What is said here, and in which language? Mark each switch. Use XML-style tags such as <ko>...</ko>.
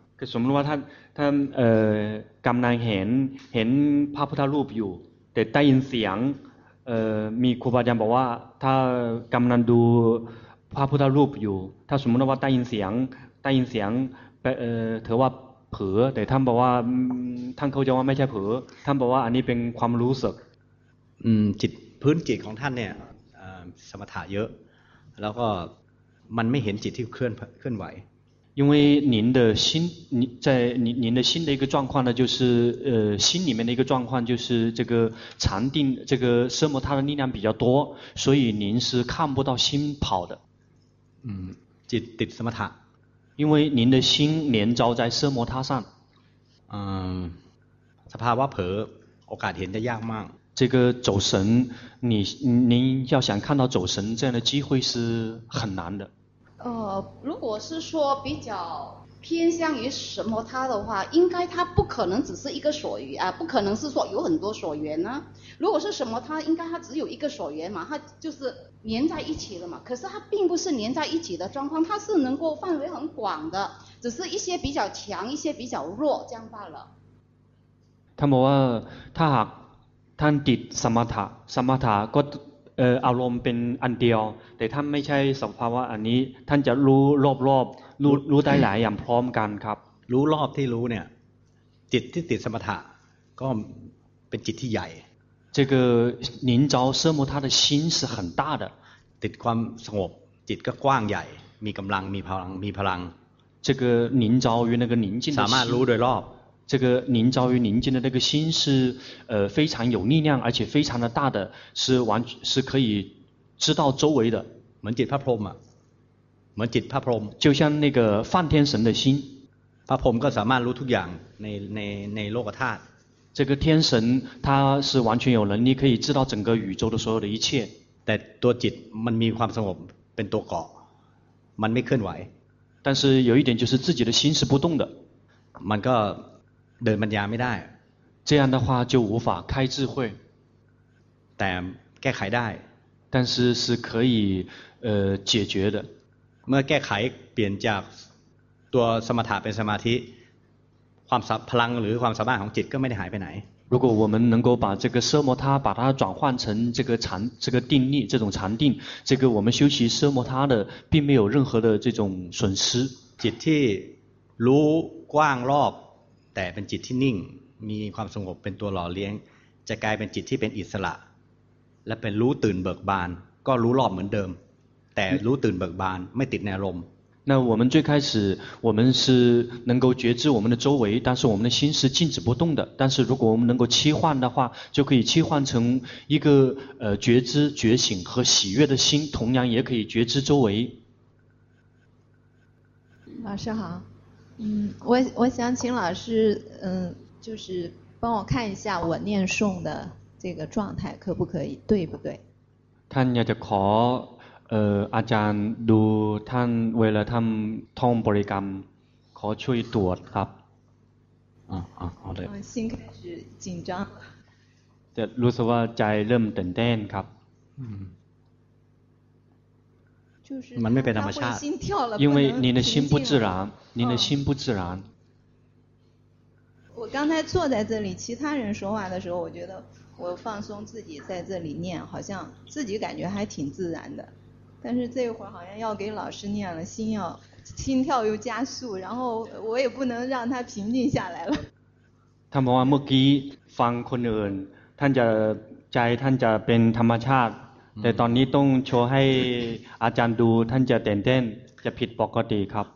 <th>ก็สมมติว่าท่านกำลังเห็นพระพุทธรูปอยู่แต่ได้ยินเสียงมีครูบาอาจารย์บอกว่าถ้ากำลังดูพระพุทธรูปอยู่ถ้าสมมติว่าได้ยินเสียงเธอว่าเผลอแต่ท่านบอกว่าท่านเข้าใจว่าไม่ใช่เผลอท่านบอกว่าอันนี้เป็นความรู้สึก จิตพื้นจิตของท่านเนี่ยสมถะเยอะแล้วก็มันไม่เห็นจิตที่เคลื่อนไหว</th> <zh>因为您的心在您的心的一个状况呢就是心里面的一个状况就是这个禅定这个奢摩他的力量比较多所以您是看不到心跑的</zh> <th>จิตติดสมถะ</th> <zh>因为您的心连招在奢摩他上。</zh> <th>嗯，สภาวะเผลอโอกาสเห็นจะยากมาก。</th> <zh>这个走神，您要想看到走神这样的机会是很难的。如果是说比较偏向于什么他的话，应该他不可能只是一个所缘啊，不可能是说有很多所缘呢、啊。如果是什么他，应该他只有一个所缘嘛，他就是连在一起了嘛。可是他并不是连在一起的状况，他是能够范围很广的，只是一些比较强，一些比较弱，这样罢了。他们说他</zh> <th>ท่านติดสมถะสมถะก็อารมณ์เป็นอันเดียวแต่ท่านไม่ใช่สภาวะอันนี้ท่านจะรู้รอบๆ รู้ได้หลายอย่างพร้อมกันครับ รู้รอบที่รู้เนี่ยจิตที่ติดสมถะก็เป็นจิตที่ใหญ่</th> <zh>这个您招奢摩他的心是很大的</zh> <th>ติดความสงบจิตก็กว้างใหญ่มีกำลังมีพลังมีพลัง</th> <zh>这个您招于那个宁静</zh> <th>สามารถรู้โดยรอบ</th> <zh>这个您遭遇宁静的那个心是非常有力量而且非常的大的是完是可以知道周围的门禁帕婆嘛门禁帕婆就像那个梵天神的心帕婆可以</zh> <th>รู้ทุกอย่างในโลกธาตุ</th> <zh>这个天神他是完全有能力可以知道整个宇宙的所有的一切</zh> <th>แต่ตัวจิตมันมีความสงบเป็นตัวเกาะมันไม่เคลื่อนไหว</th> <zh>但是有一点就是自己的心是不动的</zh> <th>มันก็เดินปัญญาไม่ได้</th> <zh>这样的话就无法开智慧</zh> <th>แต่แก้ไขได้</th> <zh>但是是可以解决的</zh> <th>เมื่อแก้ไขเปลี่ยนจากตัวสมถะเป็นสมาธิความพลังหรือความสามารถของจิตก็ไม่ได้หายไปไหน</th> <zh>如果我们能够把这个奢摩他把它转换成这个禅这个定力这种禅定这个我们修习奢摩他的并没有任何的这种损失</zh> <th>จิตที่รู้กว้างรอบแต่เป็นจิตที่นิ่งมีความสงบเป็นตัวหล่อเลี้ยงจะกลายเป็นจิตที่เป็นอิสระและเป็นรู้ตื่นเบิกบานก็รู้รอบเหมือนเดิมแต่รู้ตื่นเบิกบานไม่ติดในอารมณ์</th> <zh>那我们最开始我们是能够觉知我们的周围但是我们的心是静止不动的但是如果我们能够切换的话就可以切换成一个觉知觉醒和喜悦的心同样也可以觉知周围老师好我想请老师就是帮我看一下我念诵的这个状态可不可以对不对</zh> <th>ท่านอยากจะขออาจารย์ดูท่านเวลาท่านท่องบริกรรมขอช่วยตรวจครับ</th> <zh>อ๋อ好的心开始紧张</zh> <th>จะรู้สึกว่าใจเริ่มตื่นเต้นครับ มันไม่เป็นธรรมชาติ</th> <zh>因为您的心不自然您的心不自然我刚才坐在这里其他人说话的时候我觉得我放松自己在这里念好像自己感觉还挺自然的但是这一会儿好像要给老师念了心跳又加速然后我也不能让他平静下来了他们说</zh> <th>เมื่อกี้ฟังคนอื่นท่านจะใจท่านจะเป็นธรรมชาติแต่ตอนนี้ต้องโชว์ให้อาจารย์ดูท่านจะเต้นเต้นจะผิดปกติครับ</th>